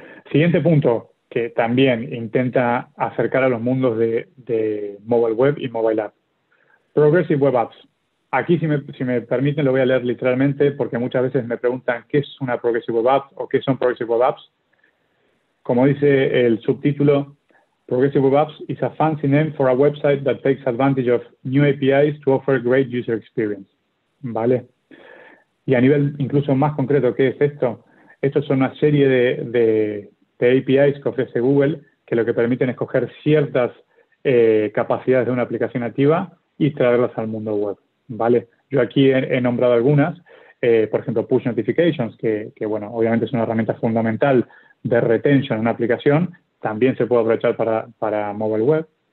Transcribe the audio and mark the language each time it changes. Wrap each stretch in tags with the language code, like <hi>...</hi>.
<es>Siguiente punto, que también intenta acercar a los mundos de mobile web y mobile app. Progressive Web Apps. Aquí, si me permiten, lo voy a leer literalmente, porque muchas veces me preguntan qué es una Progressive Web App o qué son Progressive Web Apps. Como dice el subtítulo,</es> <en>Progressive Web Apps is a fancy name for a website that takes advantage of new APIs to offer great user experience.</en> <es>¿Vale? Y a nivel incluso más concreto, ¿qué es esto? Estos son una serie de APIs que ofrece Google, que lo que permiten es coger ciertas capacidades de una aplicación nativa y traerlas al mundo web. ¿Vale? Yo aquí he nombrado algunas, por ejemplo, Push Notifications, que bueno, obviamente es una herramienta fundamental de retention en una aplicación, también se puede aprovechar para mobile web.</es>